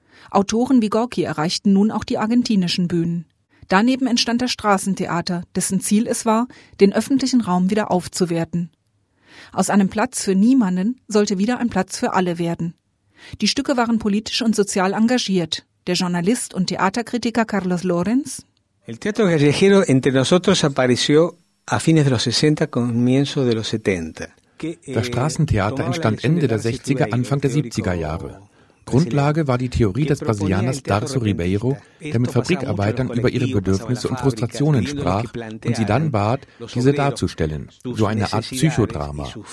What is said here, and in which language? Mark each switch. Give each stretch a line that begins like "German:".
German: Autoren wie Gorki erreichten nun auch die argentinischen Bühnen. Daneben entstand das Straßentheater, dessen Ziel es war, den öffentlichen Raum wieder aufzuwerten. Aus einem Platz für niemanden sollte wieder ein Platz für alle werden. Die Stücke waren politisch und sozial engagiert. Der Journalist und Theaterkritiker Carlos Lorenz:
Spanish: El teatro callejero entre nosotros apareció a fines de los 60, comienzo de los 70.
German: Das Straßentheater entstand Ende der 60er, Anfang der 70er Jahre. Grundlage war die Theorie des Brasilianers Darcy Ribeiro, der mit Fabrikarbeitern über ihre Bedürfnisse und Frustrationen sprach und sie dann bat, diese darzustellen, so eine Art Psychodrama.